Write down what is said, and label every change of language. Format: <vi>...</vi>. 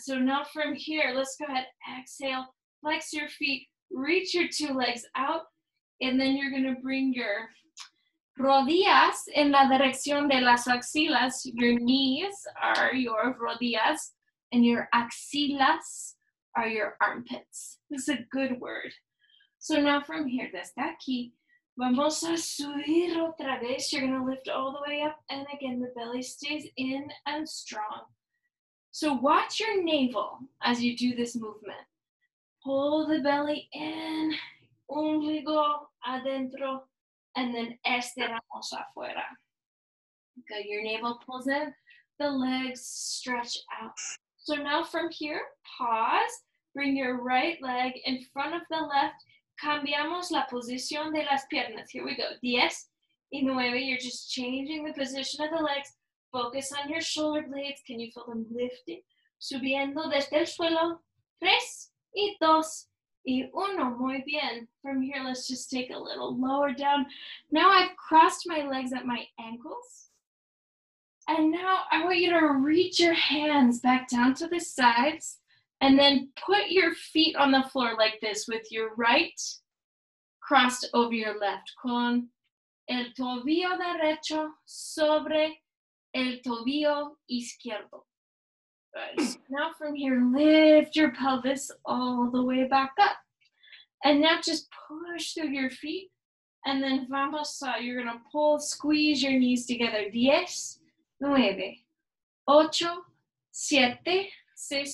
<en>So now from here, let's go ahead. Exhale. Flex your feet. Reach your two legs out. And then you're going to bring your</en> <es>rodillas en la dirección de las axilas.</es> <en>Your knees are your rodillas and your axilas are your armpits. This is a good word. So now from here,</en> <es>desde aquí, vamos a subir otra vez.</es> <en>You're going to lift all the way up and again, the belly stays in and strong. So watch your navel as you do this movement. Pull the belly in,</en> <es>ombligo adentro.</es> <en>And then</en> <es>estiramos afuera.</es> <en>Good, your navel pulls in, the legs stretch out. So now from here, pause, bring your right leg in front of the left.</en> <es>Cambiamos la posición de las piernas.</es> <en>Here we go,</en> <es>10 y 9.</es> <en>You're just changing the position of the legs. Focus on your shoulder blades. Can you feel them lifting?</en> <es>Subiendo desde el suelo,</es> <en>3 y 2.</en> <es>Y uno, muy bien.</es> <en>From here, let's just take a little lower down. Now I've crossed my legs at my ankles. And now I want you to reach your hands back down to the sides. And then put your feet on the floor like this with your right crossed over your left.</en> <es>Con el tobillo derecho sobre el tobillo izquierdo.</es> <en>Now from here, lift your pelvis all the way back up. And now just push through your feet. And then</en> <es>vamos a,</es> <en>you're going to pull, squeeze your knees together. 10, 9, 8, 7, 6.</en>